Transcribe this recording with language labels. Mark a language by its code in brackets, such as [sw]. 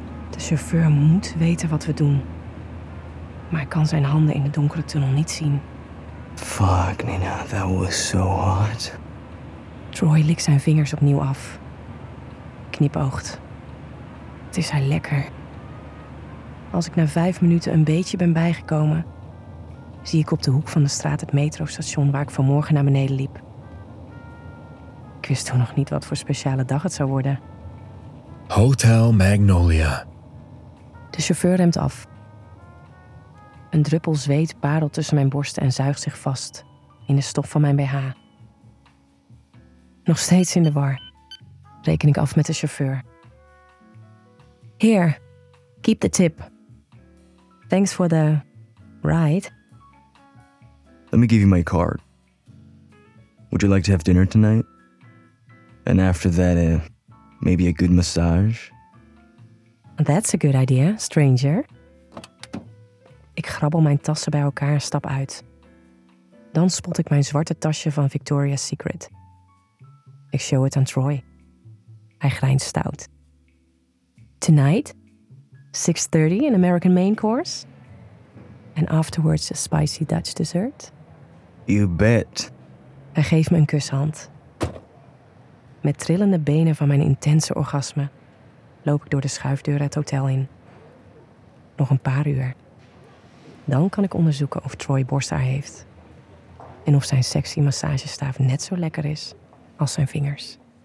[nl] De chauffeur moet weten wat we doen. Maar ik kan zijn handen in de donkere tunnel niet zien. [en] Fuck, Nina, that was so hard. [nl] Troy likt zijn vingers opnieuw af. Knipoogt. Het is haar lekker. Als ik na 5 minuten een beetje ben bijgekomen, zie ik op de hoek van de straat het metrostation waar ik vanmorgen naar beneden liep. Ik wist toen nog niet wat voor speciale dag het zou worden. Hotel Magnolia. De chauffeur remt af. Een druppel zweet parelt tussen mijn borsten en zuigt zich vast in de stof van mijn BH. Nog steeds in de war, reken ik af met de chauffeur. [en] Here, keep the tip. Thanks for the ride. Let me give you my card. Would you like to have dinner tonight? And after that, maybe a good massage? That's a good idea, stranger. [nl] Ik grabbel mijn tassen bij elkaar en stap uit. Dan spot ik mijn zwarte tasje van Victoria's Secret. Ik show het aan Troy. Hij grijnst stout. [en] Tonight, 6:30, an American main course. And afterwards, a spicy Dutch dessert. You bet. [nl] Hij geeft me een kushand. Met trillende benen van mijn intense orgasme loop ik door de schuifdeur het hotel in. Nog een paar uur. Dan kan ik onderzoeken of Troy borsthaar heeft. En of zijn sexy massagestaaf net zo lekker is als zijn vingers.